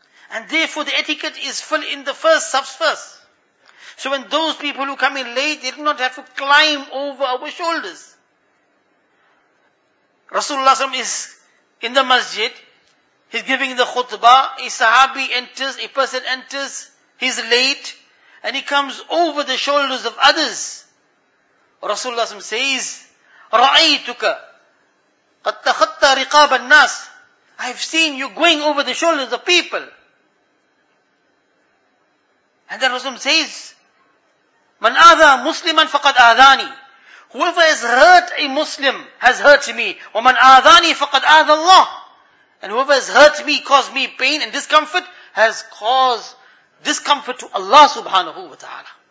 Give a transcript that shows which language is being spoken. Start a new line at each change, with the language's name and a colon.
English: And therefore the etiquette is full in the first subs first. So when those people who come in late, they do not have to climb over our shoulders. Rasulullah SAW is in the masjid. He's giving the khutbah. A sahabi enters, a person enters, he's late, and he comes over the shoulders of others. Rasulullah SAW says,
Arabic: رَأَيْتُكَ قَدْ تَخَطَّى رِقَابَ النَّاسِ.
English: I've seen you going over the shoulders of people. And then Rasulullah SAW says,
Arabic: مَنْ أَذَى مُسْلِمًا فَقَدْ أَذَانِي.
English: Whoever has hurt a Muslim has hurt me.
Arabic: وَمَنْ أَذَانِي فَقَدْ أَذَى اللَّهِ.
English: And whoever has hurt me, caused me pain and discomfort, has caused discomfort to Allah subhanahu wa ta'ala.